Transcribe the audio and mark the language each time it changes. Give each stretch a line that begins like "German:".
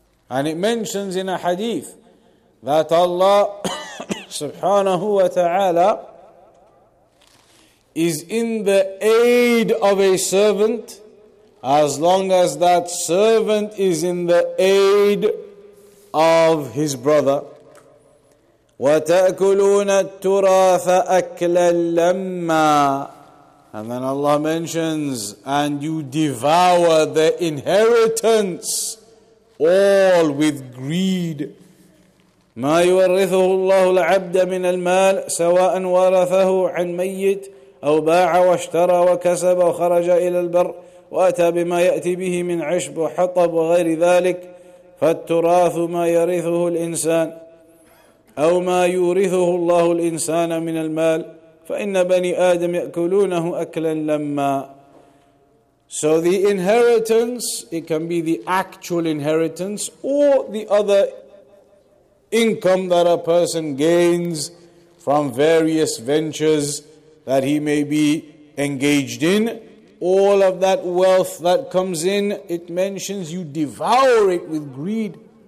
English: And it mentions in a hadith that Allah subhanahu wa ta'ala is in the aid of a servant as long as that servant is in the aid of his brother.
Arabic: وَتَأْكُلُونَ التُّرَاثَ أَكْلًا لَمَّا.
English: And then Allah mentions, and you devour the inheritance all with greed.
Arabic: ما يورثه الله العبد من المال سواء ورثه عن ميت أو باع واشترى وكسب وخرج إلى البر وأتى بما يأتي به من عشب وحطب وغير ذلك فالتراث ما يرثه الإنسان أو ما يورثه الله الإنسان من المال فإن بني آدم يأكلونه أكلا لما.
English: So the inheritance, it can be the actual inheritance or the other income that a person gains from various ventures that he may be engaged in. All of that wealth that comes in, it mentions you devour it with greed.